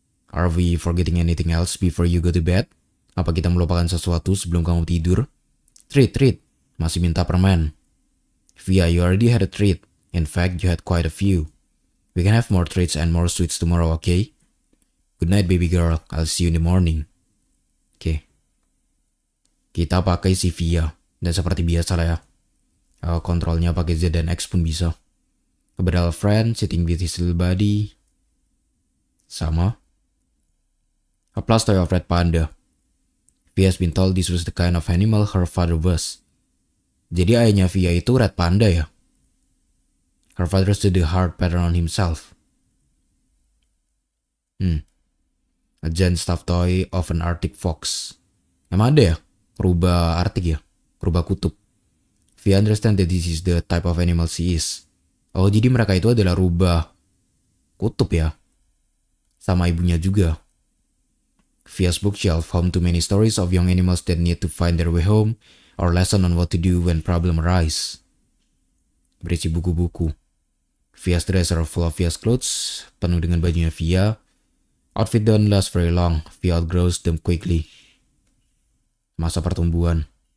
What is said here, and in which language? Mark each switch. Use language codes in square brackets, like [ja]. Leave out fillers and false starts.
[en] Are we forgetting anything else before you go to bed? [id] Apa kita melupakan sesuatu sebelum kamu tidur? [en] Treat, treat, [id] masih minta permen. [en] Via, you already had a treat. In fact, you had quite a few. We can have more treats and more sweets tomorrow, okay? Good night, baby girl, I'll see you in the morning. [id] Oke. Okay. Kita pakai si Via, dan seperti biasa lah ya. Kontrolnya pakai Z dan X pun bisa. Kebetulan [en] friend sitting with his little buddy. [id] Sama. [en] A plush toy of red panda. V has been told this was the kind of animal her father was. [id] Jadi ayahnya Via itu red panda ya. [en] Her father stood the hard pattern on himself. A giant stuffed toy of an arctic fox. [id] Emang ada ya? Rubah arctic ya? Rubah kutub. [en] We understand that this is the type of animal she is. [id] Oh, jadi mereka itu adalah rubah kutub ya? Sama ibunya juga. [en] Via's bookshelf, home to many stories of young animals that need to find their way home or lesson on what to do when problems arise. [id] Berisi buku-buku. [en] Via's dresser full of Via's clothes, [id] penuh dengan bajunya Via. [en] Outfit don't last very long. Via outgrows them quickly. [id] Masa pertumbuhan.